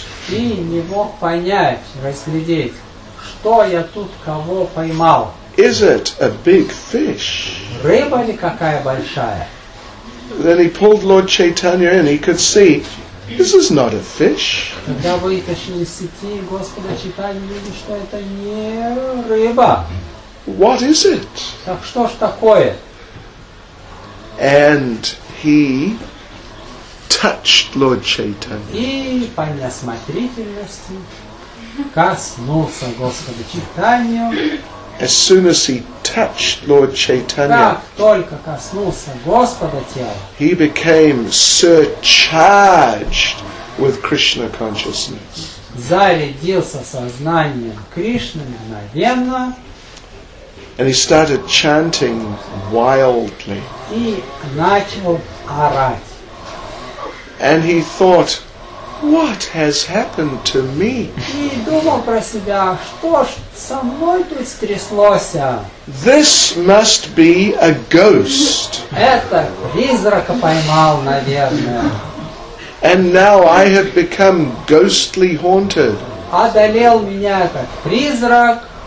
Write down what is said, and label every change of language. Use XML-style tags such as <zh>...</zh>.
<ru>И не мог понять, разглядеть, что я тут кого поймал.</ru> <en>Is it a big fish?</en> <ru>Рыба ли какая большая?</ru> <en>Then he pulled Lord Chaitanya in, he could see, this is not a fish.</en> <ru>Когда вытащили из сети Господа Чайтанью, видели, что это не рыба.</ru> <en>What is it?</en> <ru>Так что ж такое?</ru> <en>And he touched Lord Chaitanya.</en> <ru>И по неосмотрительности коснулся Господа Чайтанью.</ru> <en>As soon as he touched Lord Chaitanya,</en> <ru>как только коснулся Господа тела,</ru> <en>he became surcharged with Krishna consciousness.</en> <ru>Зарядился сознанием Кришны мгновенно.</ru> <en>And he started chanting wildly.</en> <ru>И начал орать.</ru> <en>And he thought, what has happened to me?</en> <ru>И думал про себя, что ж со мной тут стряслося?</ru> <en>This must be a ghost.</en> <ru>Это призрака поймал, наверное.</ru> <en>And now I have become ghostly haunted.</en> <ru>Одолел меня этот призрак.</ru>